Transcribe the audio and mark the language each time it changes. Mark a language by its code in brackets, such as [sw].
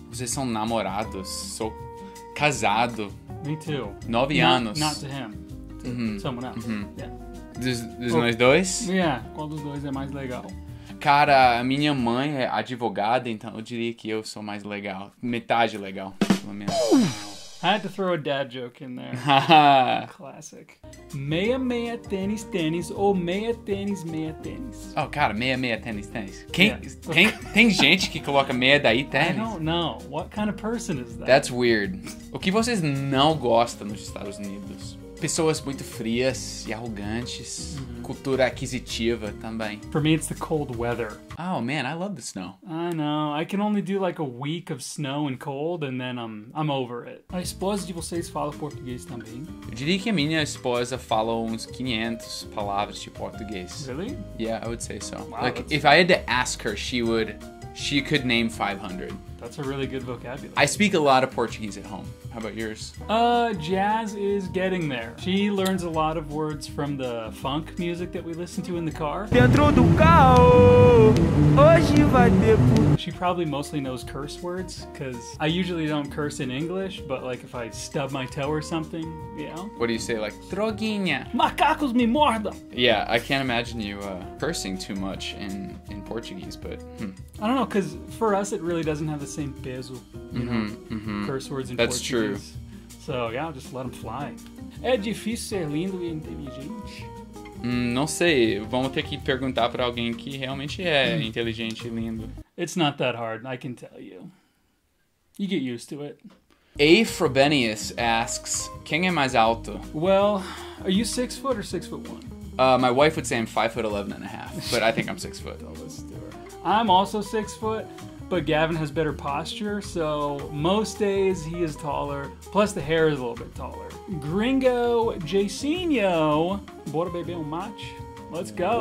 [pt] Vocês são namorados? Sou casado. [en] Me too. [pt] Nove anos. [en] Not to him. Someone else. [pt] Dos nós dois? [en] Yeah. [pt] Qual dos dois é mais legal? Cara, a minha mãe é advogada, então eu diria que eu sou mais legal. Metade legal, pelo menos. [en] I had to throw a dad joke in there. Classic. [pt] Meia, meia, tênis, tênis, ou meia, tênis, meia, tênis. Oh, cara, meia, meia, tênis, tênis. Quem, yeah. tem gente que coloca meia daí tênis? [en] I don't know. What kind of person is that? That's weird. [pt] O que vocês não gostam nos Estados Unidos? Pessoas muito frias e arrogantes. Mm-hmm. Cultura aquisitiva também. [en] For me, it's the cold weather. Oh, man, I love the snow. I know. I can only do like a week of snow and cold and then I'm over it. [pt] A esposa de vocês fala português também? Eu diria que a minha esposa fala uns 500 palavras de português. [en] Really? Yeah, I would say so. Wow, like, if I had to ask her, she could name 500. That's a really good vocabulary. I speak a lot of Portuguese at home. How about yours? Jazz is getting there. She learns a lot of words from the funk music that we listen to in the car. [pt] Dentro do carro, hoje vai ter... [en] She probably mostly knows curse words, because I usually don't curse in English, but like if I stub my toe or something, you know? What do you say, like, [pt] droguinha, macacos me morda? [en] Yeah, I can't imagine you cursing too much in Portuguese, but I don't know, because for us it really doesn't have the same peso, you know, curse words in That's Portuguese. That's true. So yeah, I'll just let them fly. [pt] É difícil ser lindo e inteligente? Não sei, vamos ter que perguntar para alguém que realmente é inteligente e lindo. [en] It's not that hard, I can tell you. You get used to it. A. [pt] Frobenius asks, quem é mais alto? [en] Well, are you 6 foot or 6 foot one? My wife would say I'm 5 foot 11 and a half, but I think I'm 6 foot. Don't listen to her. I'm also 6 foot, but Gavin has better posture, so most days he is taller. Plus the hair is a little bit taller. [pt] Gringo Jacinho, bora beber match? [en] Let's go.